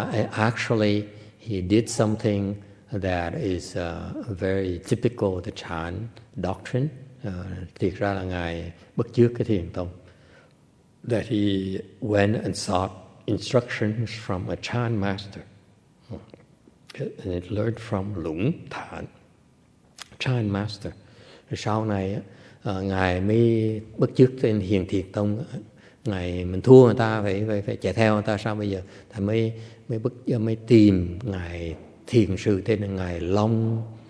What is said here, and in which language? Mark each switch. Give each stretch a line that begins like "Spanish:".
English: Actually he did something that is very typical of the Chan doctrine.
Vietnamese: Thiệt ra là ngài bất chước cái Thiền Tông.
English: That he went and sought instructions from a Chan master. And it learned from Lũng Thản, Chan master.
Vietnamese: Sau này, ngài mới bất chước trên Hiền Thiệt Tông. Ngài mình thua người ta, phải chạy theo người ta. Sao bây giờ? Thầy mới tìm ngài thiền sư tên là ngài Long...